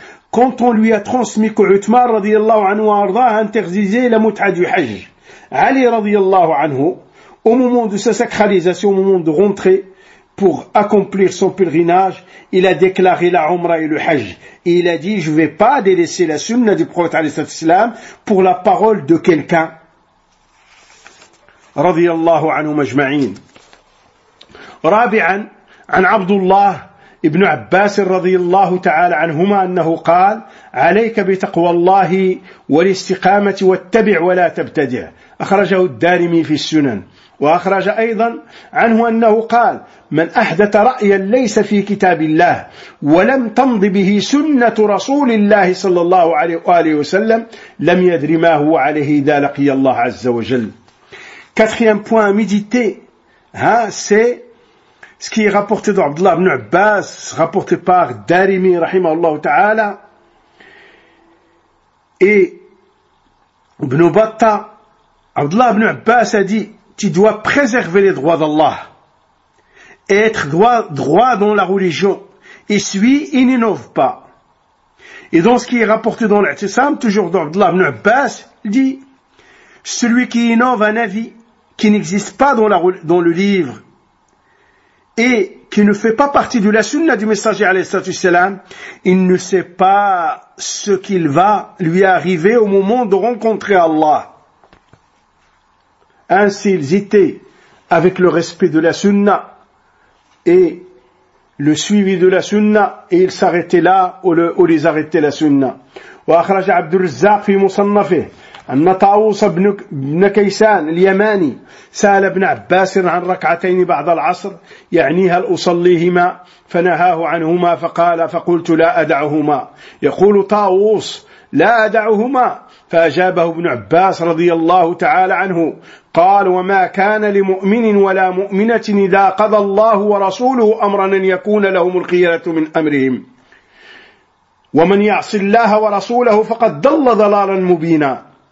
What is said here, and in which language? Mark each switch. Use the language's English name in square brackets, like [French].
[French] Quand on lui a transmis que Uthman radiyallahu anhu arda a interdisé la mut'a du hajj, Ali radiyallahu anhu, au moment de sa sacralisation, au moment de rentrer pour accomplir son pèlerinage, il a déclaré la umra et le hajj. Et il a dit, je ne vais pas délaisser la sunna du prophète alayhi salatu wassalam pour la parole de quelqu'un. [Arabic] Radiyallahu anhu majma'in. Rabi'an, an Abdullah ابن عباس رضي الله تعالى عنهما أنه قال عليك بتقوى الله والاستقامة واتبع ولا تبتدع أخرجه الدارمي في السنن وأخرج أيضا عنه أنه قال من أحدث رأيا ليس في كتاب الله ولم تمض به سنة رسول الله صلى الله عليه وآله وسلم لم يدر ما هو عليه إذا لقي الله عز وجل. [French] Quatrième point à méditer, c'est ce qui est rapporté d'Abdullah ibn Abbas, rapporté par Darimi, rahimahullah ta'ala, et Ibn Battah, Abdullah ibn Abbas a dit, tu dois préserver les droits d'Allah, être droit dans la religion, et suis, il n'innove pas. Et dans ce qui est rapporté dans l'Ihtisam, toujours d'Abdullah ibn Abbas, il dit, celui qui innove un avis qui n'existe pas dans le livre, et qui ne fait pas partie de la sunna du messager alayhi salam, il ne sait pas ce qu'il va lui arriver au moment de rencontrer Allah. Ainsi, ils étaient avec le respect de la sunna et le suivi de la sunna et ils s'arrêtaient là où les arrêtait la sunna. [Arabic] وأخرج عبد الرزاق في مصنفه أن طاووس بن كيسان اليماني سأل ابن عباس عن ركعتين بعد العصر يعنيها الأصليهما فنهاه عنهما فقال فقلت لا أدعهما. يقول طاووس لا أدعهما. فأجابه ابن عباس رضي الله تعالى عنه قال وما كان لمؤمن ولا مؤمنة إذا قضى الله ورسوله أمرا أن يكون لهم الخيرة من أمرهم ومن يعص الله ورسوله فقد ضل ضلالا مبينا.